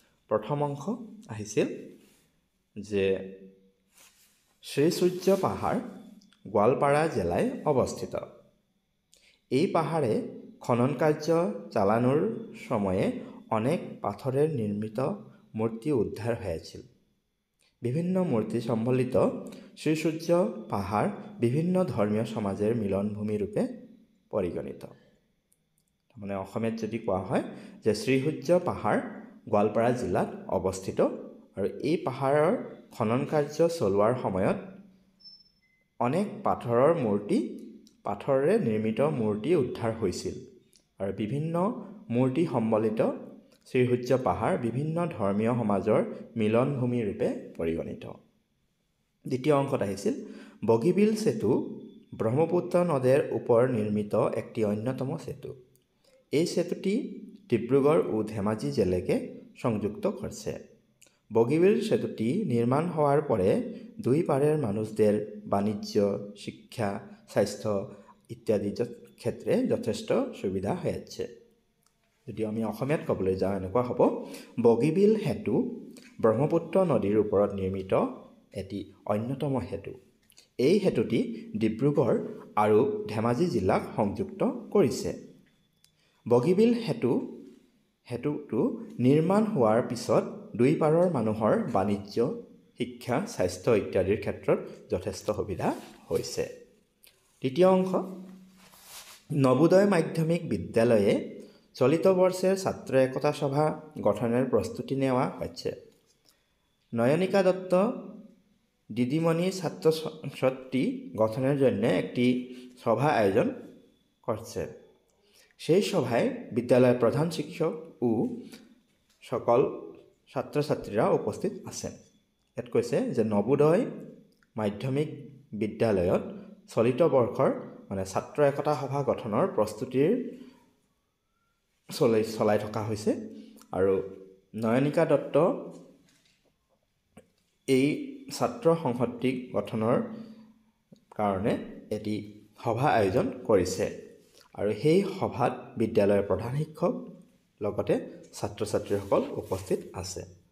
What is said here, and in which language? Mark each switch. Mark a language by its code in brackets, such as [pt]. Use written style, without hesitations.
[as] প্ৰথম অংশ আহিছিল যে শ্ৰী সূৰ্য পাহাৰ গোৱালপাৰা জিলাত অৱস্থিত, এই পাহাৰে খনন কাৰ্য চালানোৰ সময়ে অনেক পাথৰেৰে নিৰ্মিত মূৰ্তি উদ্ধাৰ হৈছিল। [bn] বিভিন্ন মূৰ্তি সম্বলিত শ্রী সূর্য পাহাড় বিভিন্ন ধর্মীয় সমাজের মিলনভূমি রূপে পরিগণিত। [as] তাৰমানে অসমীয়াত যদি কোৱা হয় যে শ্রী সূর্য পাহাড় গোৱালপাৰা জিলাত অৱস্থিত আৰু এই পাহাৰৰ খনন কাৰ্য চলোৱাৰ সময়ত অনেক পাথৰৰ মূৰ্তি, পাথৰেৰে নিৰ্মিত মূৰ্তি উদ্ধাৰ হৈছিল, আৰু বিভিন্ন মূৰ্তি সম্বলিত শ্রী সূর্য পাহাড় বিভিন্ন ধর্মীয় সমাজৰ মিলনভূমি রূপে পরিগণিত। দ্বিতীয় অংশত আহিছিল [bn] বগীবিল সেতু ব্রহ্মপুত্র নদের উপর নির্মিত একটি অন্যতম সেতু, এই সেতুটি ডিব্রুগড় ও ধেমাজি জেলাকে সংযুক্ত করছে। বগীবিল সেতুটি নির্মাণ হওয়ার পরে দুই পারের মানুষদের বাণিজ্য, শিক্ষা, স্বাস্থ্য ইত্যাদি ক্ষেত্রে যথেষ্ট সুবিধা হয়েছে। [as] যদি আমি অসমীয়াত কবলৈ যাওঁ, এনেকুৱা হ'ব বগীবিল সেতু ব্রহ্মপুত্র নদীর উপর নির্মিত এটি অন্যতম সেতু, এই সেতুটি ডিব্রুগড় আৰু ধেমাজি জিলাক সংযুক্ত কৰিছে। বগীবিল সেতুটো নিৰ্মাণ হোৱাৰ পিছত দুই পাৰৰ মানুহৰ বাণিজ্য, শিক্ষা, স্বাস্থ্য ইত্যাদিৰ ক্ষেত্ৰত যথেষ্ট সুবিধা হৈছে। তৃতীয় অংশ, নবোদয় মাধ্যমিক বিদ্যালয়ে চলিত বৰ্ষৰ ছাত্ৰ একতা সভা গঠনৰ প্ৰস্তুতি নেওৱা হৈছে। [bn] নয়নিকা দত্ত দিদিমণি ছাত্র সংসদটি গঠনের জন্য একটি সভা আয়োজন করছে, সেই সভায় বিদ্যালয়ের প্রধান শিক্ষক ও সকল ছাত্রছাত্রীরা উপস্থিত আছে। [as] এত কৈছে যে নবোদয় মাধ্যমিক বিদ্যালয়ত চলিত বর্ষর মানে ছাত্র একতা সভা গঠনের প্রস্তুতির চলাই থকা হৈছে, আৰু নয়নিকা দত্ত এই ছাত্ৰ সংহতি গঠনৰ কাৰণে এটি সভা আয়োজন কৰিছে, আৰু সেই সভাত বিদ্যালয়ৰ প্ৰধান শিক্ষক লগতে ছাত্ৰ ছাত্ৰীসকল উপস্থিত আছে।